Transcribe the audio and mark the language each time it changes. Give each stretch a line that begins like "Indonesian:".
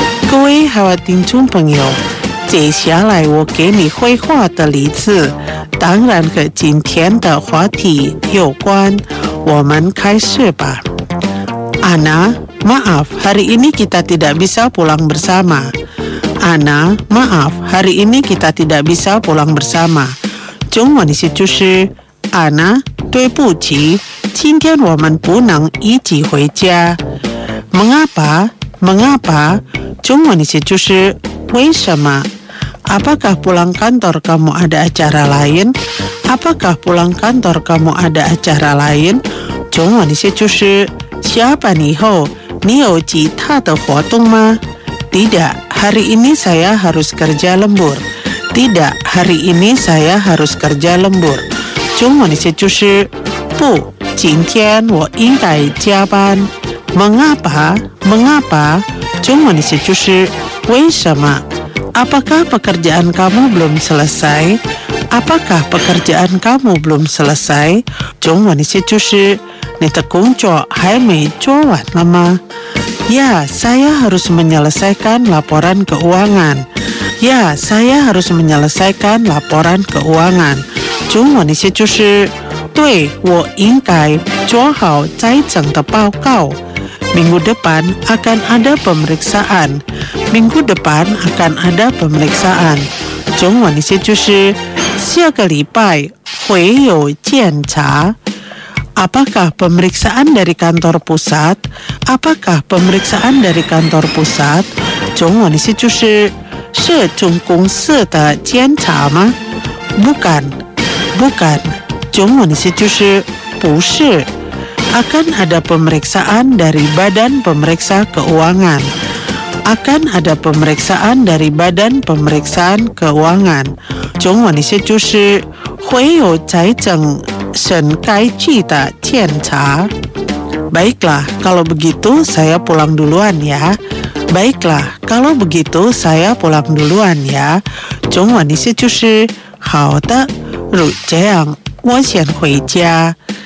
Chinese: 各位好听众朋友，接下来我给你绘画的例子当然和今天的话题有关，我们开始吧。
Indonesian: Ana, maaf, hari ini kita tidak bisa pulang bersama. Ana, maaf, hari ini kita tidak bisa pulang bersama.
Chinese: 中文的意思就是 Ana, 对不起，今天我们不能一起回家。
Indonesian: Mengapa, mengapa,
Chinese: 中文的意思就是为什么。
Indonesian: Apakah pulang kantor kamu ada acara lain? Apakah pulang kantor kamu ada acara lain?
Chinese: 中文的意思就是下班以后你有其他的活动吗？
Indonesian: Tidak, hari ini saya harus kerja lembur. Tidak, hari ini saya harus kerja lembur.
Chinese: 中文的意思就是不，今天我应该加班。
Indonesian: Mengapa? Mengapa?
Chinese: 中文的意思就是为什么。
Indonesian: Apakah pekerjaan kamu belum selesai? Apakah pekerjaan kamu belum selesai?
Chinese: 中文的意思就是你的工作还没做完了吗？
Indonesian: Ya, saya harus menyelesaikan laporan keuangan. Ya, saya harus menyelesaikan laporan keuangan.
Chinese: 中文的意思就是对，我应该做好财政的报告。
Indonesian: Minggu depan akan ada pemeriksaan. Minggu depan akan ada pemeriksaan.
Chinese: 中文的意思就是下个礼拜会有检查。
Indonesian: Apakah pemeriksaan dari kantor pusat? Apakah pemeriksaan dari kantor pusat?
Chinese: 中文的意思就是是总公司的检查吗？
Indonesian: Bukan, bukan.
Chinese: 中文的意思就是不是。
Indonesian: Akan ada pemeriksaan dari badan pemeriksa keuangan. Akan ada pemeriksaan dari badan pemeriksaan keuangan.
Chinese: 中文的意思就是会有财政审计局的检查。
Indonesian: Baiklah, kalau begitu saya pulang duluan ya. Baiklah, kalau begitu saya pulang duluan ya.
Chinese: 中文的意思就是好的，如这样，我先回家。